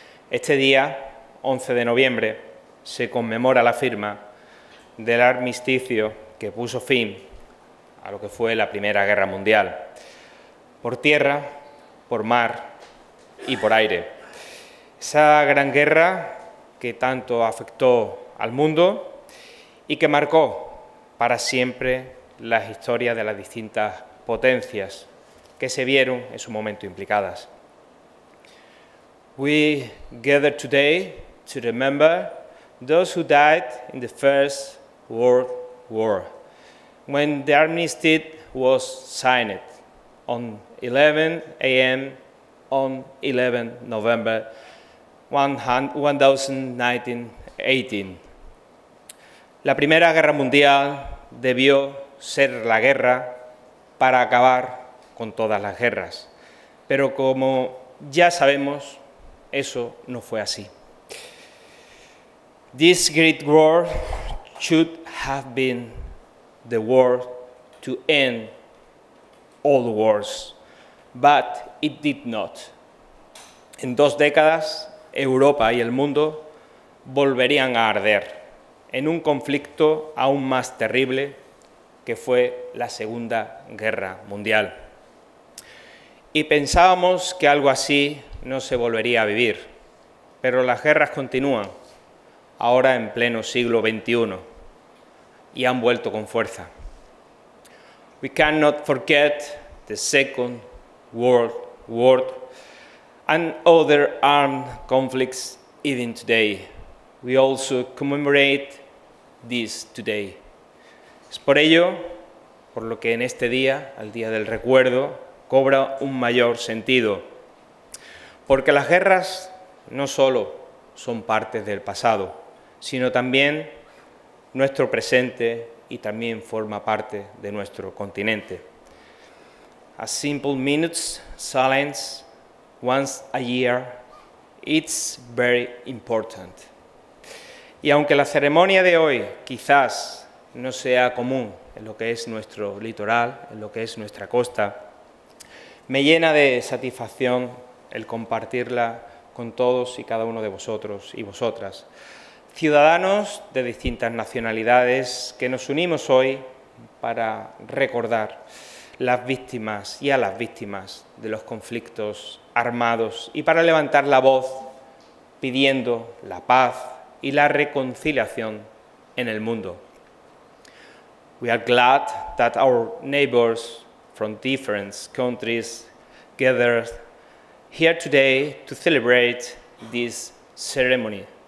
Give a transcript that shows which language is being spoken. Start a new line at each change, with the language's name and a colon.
Spanish: Este día, 11 de noviembre, se conmemora la firma del armisticio que puso fin a lo que fue la Primera Guerra Mundial, por tierra, por mar y por aire. Esa gran guerra que tanto afectó al mundo y que marcó para siempre las historias de las distintas potencias que se vieron en su momento implicadas.
English: We gather today to remember those who died in the First World War. When the armistice was signed on 11 a.m. on 11 November 1918.
Spanish: La Primera Guerra Mundial debió ser la guerra para acabar con todas las guerras, pero como ya sabemos, eso no fue así.
English: This great war should have been the war to end all wars, but it did not.
Spanish: En dos décadas, Europa y el mundo volverían a arder en un conflicto aún más terrible que fue la Segunda Guerra Mundial. Y pensábamos que algo así no se volvería a vivir, pero las guerras continúan, ahora en pleno siglo XXI. Y han vuelto con fuerza.
English: We cannot forget the Second World War and other armed conflicts even today. We also commemorate this today.
Spanish: Es por ello, por lo que en este día, al Día del Recuerdo, cobra un mayor sentido. Porque las guerras no solo son partes del pasado, sino también nuestro presente y también forma parte de nuestro continente.
English: A simple minute's silence once a year, it's very important.
Spanish: Y aunque la ceremonia de hoy quizás no sea común en lo que es nuestro litoral, en lo que es nuestra costa, me llena de satisfacción el compartirla con todos y cada uno de vosotros y vosotras. Ciudadanos de distintas nacionalidades que nos unimos hoy para recordar las víctimas y a las víctimas de los conflictos armados y para levantar la voz pidiendo la paz y la reconciliación en el mundo.
English: We are glad that our neighbors from different countries gathered here today to celebrate this ceremony.